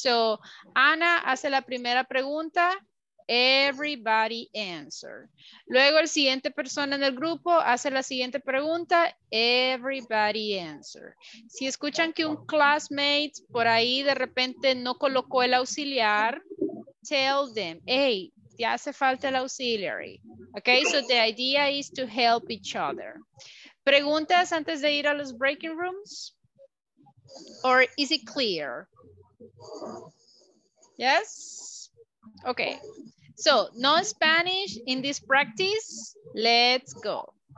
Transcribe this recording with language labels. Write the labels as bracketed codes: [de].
[es] So, Ana hace la primera pregunta. [en] Everybody answer. [es] Luego, el siguiente persona en el grupo hace la siguiente pregunta. [en] Everybody answer. [es] Si escuchan que un classmate por ahí de repente no colocó el auxiliar, [en] tell them, hey, [es] te hace falta el auxiliary. [en] Okay, so the idea is to help each other. [es] ¿Preguntas antes de ir a los breaking rooms? [en] Or is it clear? Yes? Okay. So, no Spanish in this practice. Let's go.